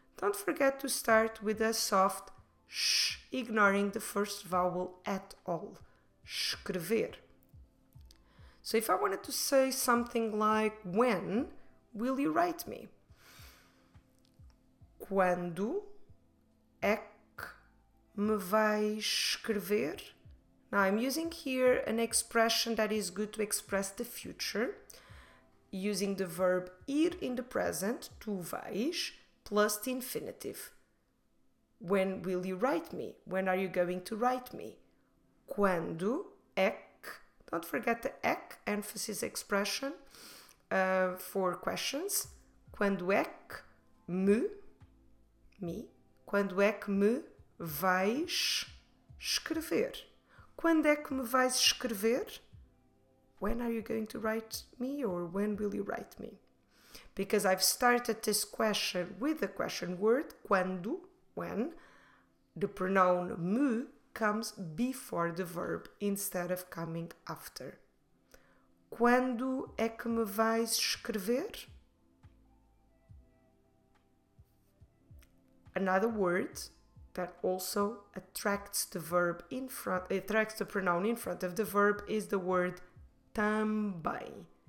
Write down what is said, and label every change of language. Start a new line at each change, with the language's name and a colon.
English: Don't forget to start with a soft sh, ignoring the first vowel at all. Escrever. So if I wanted to say something like, when will you write me?
Portuguese: Quando é que me vai escrever?
English: Now I'm using here an expression that is good to express the future, using the verb ir in the present,
Portuguese: tu vais,
English: plus the infinitive. When will you write me? When are you going to write me?
Portuguese: Quando é que,
English: don't forget the é que, emphasis expression, for questions.
Portuguese: Quando é que me, quando é que me vais escrever? Quando é que me vais escrever?
English: When are you going to write me, or when will you write me? Because I've started this question with the question word, quando, when, the pronoun me comes before the verb instead of coming after.
Portuguese: Quando é que me vais escrever?
English: Another word that also attracts the verb in front, attracts the pronoun in front of the verb is the word também.